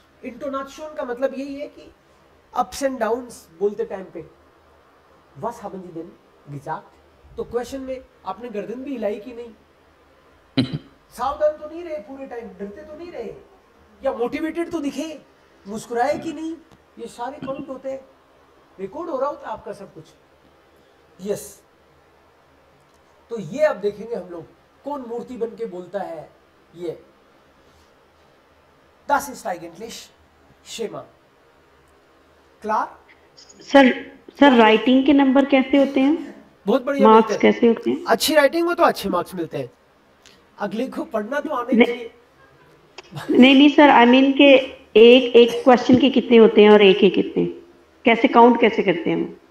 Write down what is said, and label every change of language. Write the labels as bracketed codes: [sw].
[hi] Intonation का मतलब यही है कि अप्स एंड डाउन्स बोलते टाइम पे, वस हैवन दी देन गिजाक्ट, तो क्वेश्चन में आपने गर्दन भी हिलाई कि नहीं, सावधान तो नहीं रहे पूरे टाइम, डरते तो नहीं रहे, या मोटिवेटेड तो दिखे, मुस्कुराए कि नहीं, ये सारे पॉइंट होते हैं, रिकॉर्ड हो रहा होता आपका सब कुछ. यस, तो ये अब देखेंगे हम लोग कौन मूर्ति बन के बोलता है ये. [de] Das ist eigentlich Schema. Klar? [hi] Sir sir writing के नंबर कैसे होते हैं? बहुत बढ़िया, मार्क्स कैसे होते हैं? अच्छी राइटिंग हो तो अच्छे मार्क्स मिलते हैं, अगले को पढ़ना तो आने चाहिए. नहीं नहीं सर, आई मीन के एक एक क्वेश्चन के कितने होते हैं और एक एक कितने, कैसे काउंट कैसे करते हैं?